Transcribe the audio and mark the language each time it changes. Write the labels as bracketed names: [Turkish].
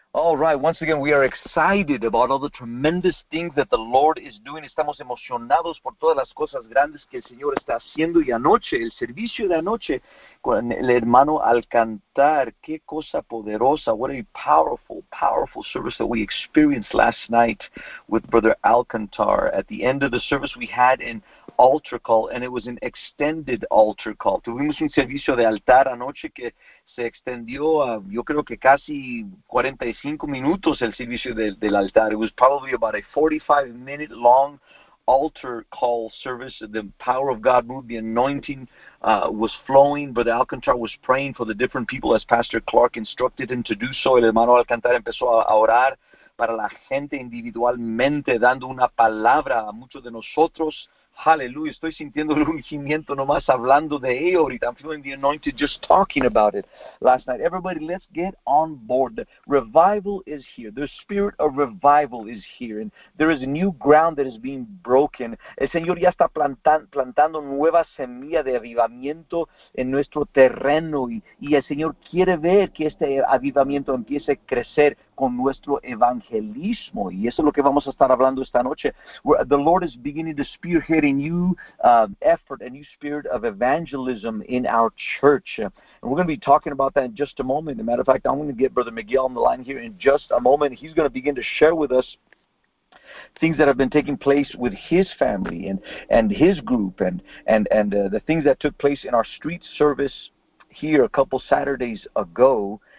[English] All right, once again, we are excited about all the tremendous things that the Lord is doing. [Spanish] Estamos emocionados por todas las cosas grandes que el Señor está haciendo. Y anoche, el servicio de anoche, con el hermano al cantar, qué cosa poderosa. [English] What a powerful, powerful service that we experienced last night with Brother Alcantar. At the end of the service, we had an altar call, and it was an extended altar call. [Spanish] Tuvimos un servicio de altar anoche que se extendió a, yo creo que casi 45 minutos el servicio del altar. [English] It was probably about a 45-minute long altar call service. The power of God moved, the anointing was flowing. Brother Alcantar was praying for the different people as Pastor Clark instructed him to do so. [Spanish] El hermano Alcantar empezó a orar para la gente individualmente, dando una palabra a muchos de nosotros. Hallelujah, estoy sintiendo el ungimiento nomás hablando de ello ahorita. [English] I'm feeling the anointed just talking about it last night. Everybody, let's get on board. The revival is here. The spirit of revival is here. And there is a new ground that is being broken. [Spanish] El Señor ya está plantando nueva semilla de avivamiento en nuestro terreno. Y el Señor quiere ver que este avivamiento empiece a crecer con nuestro evangelismo, y eso es lo que vamos a estar hablando esta noche. [English] The Lord is beginning to spearhead a new effort, a new spirit of evangelism in our church. And we're going to be talking about that in just a moment. As a matter of fact, I'm going to get Brother McGill on the line here in just a moment. He's going to begin to share with us things that have been taking place with his family and his group and the things that took place in our street service here a couple Saturdays ago.